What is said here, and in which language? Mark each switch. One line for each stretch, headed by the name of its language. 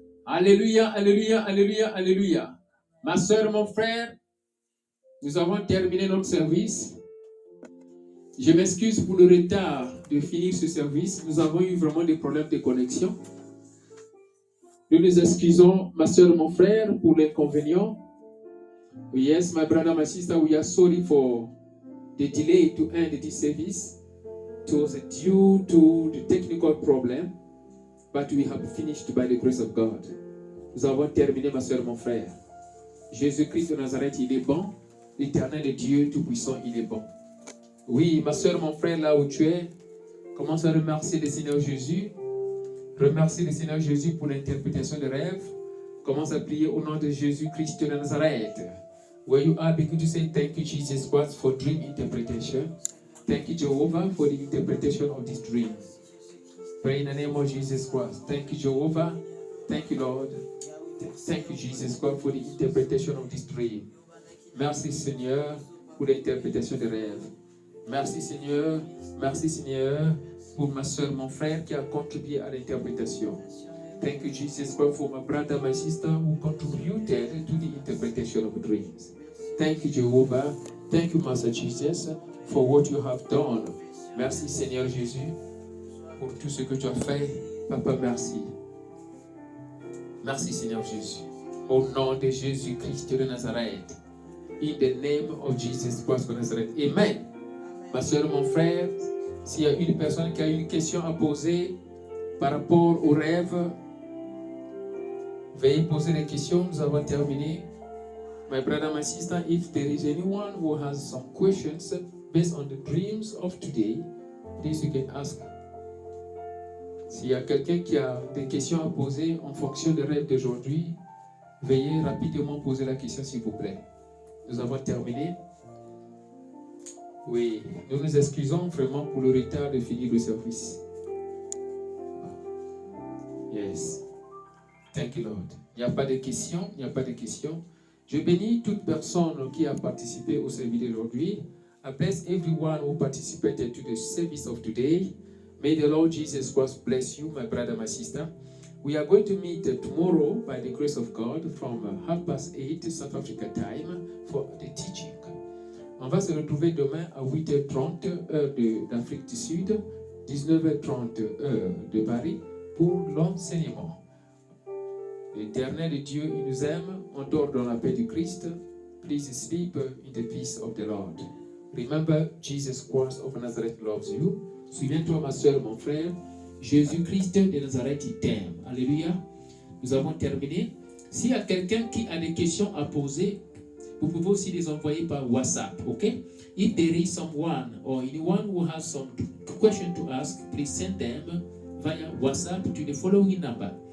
French: Alléluia, alléluia, alléluia, alléluia. Ma soeur, mon frère, nous avons terminé notre service. Je m'excuse pour le retard de finir ce service. Nous avons eu vraiment des problèmes de connexion. Nous nous excusons, ma soeur, mon frère, pour l'inconvénient.
English: Yes, my brother, my sister, we are sorry for the delay to end this service. It was due to the technical problem, but we have finished by the grace of God.
French: Nous avons terminé, ma soeur, mon frère. Jésus-Christ de Nazareth, il est bon. L'Éternel de Dieu Tout-Puissant, il est bon. Oui, ma soeur, mon frère, là où tu es, commence à remercier le Seigneur Jésus. Remercie le Seigneur Jésus pour l'interprétation des rêves. Commence à prier au nom de Jésus-Christ de Nazareth.
English: Where you are, because you say thank you, Jesus Christ, for dream interpretation. Thank you, Jehovah, for the interpretation of this dream. Pray in the name of Jesus Christ. Thank you, Jehovah. Thank you, Lord. Thank you, Jesus Christ, for the interpretation of this dream.
French: Merci, Seigneur, pour l'interprétation des rêves. Merci, Seigneur. Merci, Seigneur. Pour ma soeur, mon frère qui a contribué à l'interprétation.
English: Thank you, Jesus Christ, for my brother, my sister who contributed to the interpretation of dreams. Thank you, Jehovah. Thank you, Master Jesus, for what you have done.
French: Merci, Seigneur Jésus, pour tout ce que tu as fait. Papa, merci. Merci, Seigneur Jésus. Au nom de Jésus Christ de Nazareth.
English: In the name of Jesus Christ of Nazareth. Amen.
French: Ma soeur, mon frère, s'il y a une personne qui a une question à poser, par rapport aux rêves. Veuillez poser des questions, nous avons terminé.
English: My brother, my sister, if there is anyone who has some questions based on the dreams of today, please you can ask.
French: S'il y a quelqu'un qui a des questions à poser en fonction des rêves d'aujourd'hui, veuillez rapidement poser la question, s'il vous plaît. Nous avons terminé. Oui, nous nous excusons vraiment pour le retard de finir le service.
English: Yes. Thank you, Lord.
French: Il n'y a pas de questions, il n'y a pas de questions. Je bénis toute personne qui a participé au service d'aujourd'hui.
English: I bless everyone who participated to the service of today. May the Lord Jesus Christ bless you, my brother, my sister. We are going to meet tomorrow, by the grace of God, from 8:30 South Africa time for the teaching.
French: On va se retrouver demain à 8:30 heures d'Afrique du Sud, 19:30 heures de Paris, pour l'enseignement. L'Éternel Dieu, il nous aime, on dort dans la paix du Christ.
English: Please sleep in the peace of the Lord. Remember, Jesus Christ of Nazareth loves you.
French: Souviens-toi, ma soeur, mon frère, Jésus-Christ de Nazareth, il t'aime. Alléluia. Nous avons terminé. S'il y a quelqu'un qui a des questions à poser, vous pouvez aussi les envoyer par WhatsApp, ok?
English: If there is someone or anyone who has some question to ask, please send them via WhatsApp to the following number.